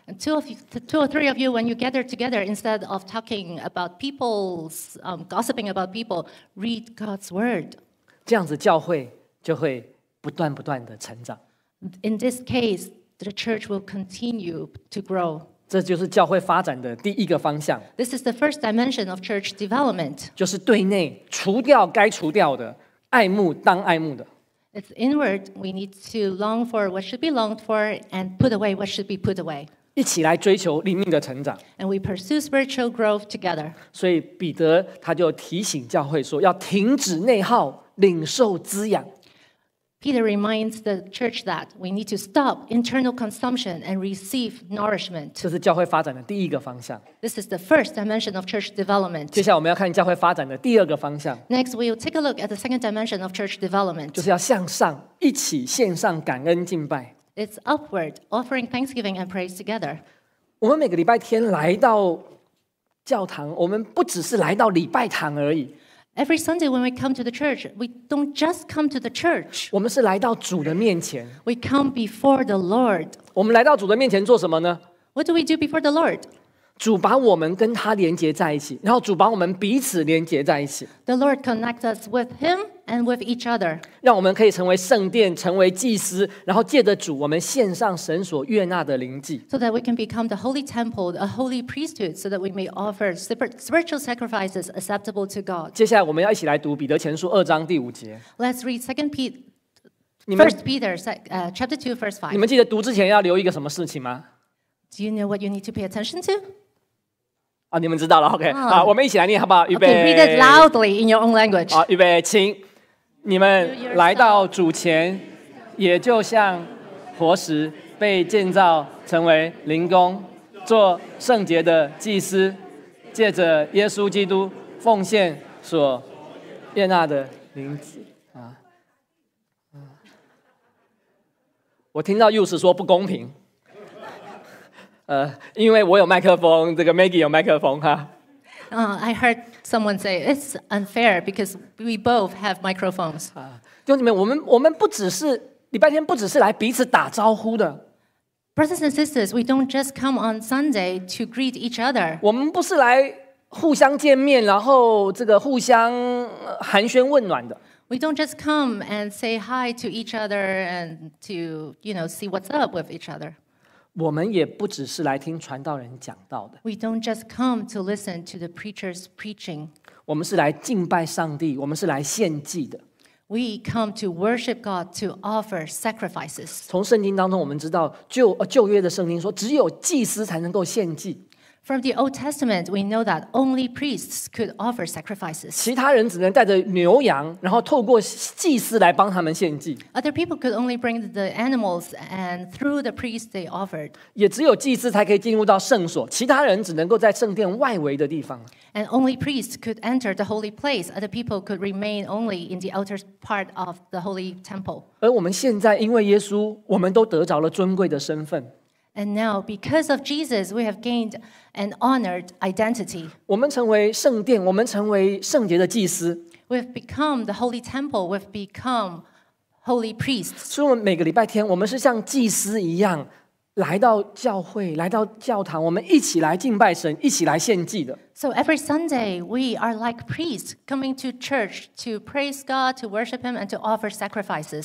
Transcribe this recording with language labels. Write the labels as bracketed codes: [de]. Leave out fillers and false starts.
[en] Two or three of you, when you gather together, instead of talking about people's gossiping about people, read God's word. [zh] 这样子教会就会不断不断的成长。 [en] In this case, the church will continue to grow. [zh] 这就是教会发展的第一个方向。 [en] This is the first dimension of church development. [zh] 就是对内除掉该除掉的，爱慕当爱慕的。 [en] It's inward. We need to long for what should be longed for and put away what should be put away. [zh] 一起来追求灵命的成长。 [en] And we pursue spiritual growth together. [zh] 所以彼得他就提醒教会说，要停止内耗，领受滋养。 [en] Peter reminds the church that we need to stop internal consumption and receive nourishment. [zh] 这是教会发展的第一个方向。 [en] This is the first dimension of church development. [zh] 接下来我们要看教会发展的第二个方向。 [en] Next, we'll take a look at the second dimension of church development. [zh] 就是要向上，一起献上感恩敬拜。 [en] It's upward, offering thanksgiving and praise together. [zh] 我们每个礼拜天来到教堂，我们不只是来到礼拜堂而已。 [en] Every Sunday when we come to the church, we don't just come to the church. [zh] 我们是来到主的面前。 [en] We come before the Lord. [zh] 我们来到主的面前做什么呢？ [en] What do we do before the Lord? [zh] 主把我们跟他连接在一起，然后主把我们彼此连接在一起。 [en] The Lord connects us with him and with each other. [zh] 让我们可以成为圣殿，成为祭司，然后借着主我们献上神所悦纳的灵祭。 [en] So that we can become the holy temple, a holy priesthood, so that we may offer spiritual sacrifices acceptable to God. [zh] 接下来我们要一起来读彼得前书二章第五节。 [en] Let's read First Peter, chapter 2, verse 5. [zh] 你们记得读之前要留一个什么事情吗？ [en] Do you know what you need to pay attention to? [zh] 啊，你们知道了 ，OK。啊，我们一起来念好不好？预备。 [en] Okay, read it loudly in your own language。 [zh] 好，预备，请你们来到主前，也就像活石被建造成为灵宫，做圣洁的祭司，借着耶稣基督奉献所悦纳的灵祭。啊，我听到 Yus 说不公平。因为我有麦克风，这个 Maggie 有麦克风哈。 [en] I heard someone say it's unfair because we both have microphones. [zh] 弟兄姊妹，我们不只是礼拜天，不只是来彼此打招呼的。 [en] Brothers and sisters, we don't just come on Sunday to greet each other. [zh] 我们不是来互相见面，然后这个互相寒暄问暖的。 [en] We don't just come and say hi to each other and to you know see what's up with each other. [zh] 我们也不只是来听传道人讲道的。 [en] We don't just come to listen to the preacher's preaching. [zh] 我们是来敬拜上帝，我们是来献祭的。 [en] We come to worship God to offer sacrifices. [zh] 从圣经当中我们知道，旧约的圣经说，只有祭司才能够献祭。 [en] From the Old Testament, we know that only priests could offer sacrifices. [zh] 其他人只能带着牛羊，然后透过祭司来帮他们献祭。 [en] Other people could only bring the animals, and through the priest they offered. [zh] 也只有祭司才可以进入到圣所，其他人只能够在圣殿外围的地方。 [en] And only priests could enter the holy place. Other people could remain only in the outer part of the holy temple. [zh] 而我们现在因为耶稣，我们都得着了尊贵的身份。 [en] And now, because of Jesus, we have gained an honored identity. [zh] 我们成为圣殿，我们成为圣洁的祭司。 [en] We've become the holy temple. We've become holy priests. [zh] 所以，我们每个礼拜天，我们是像祭司一样来到教会，来到教堂，我们一起来敬拜神，一起来献祭的。 [en] So every Sunday, we are like priests coming to church to praise God, to worship Him, and to offer sacrifices.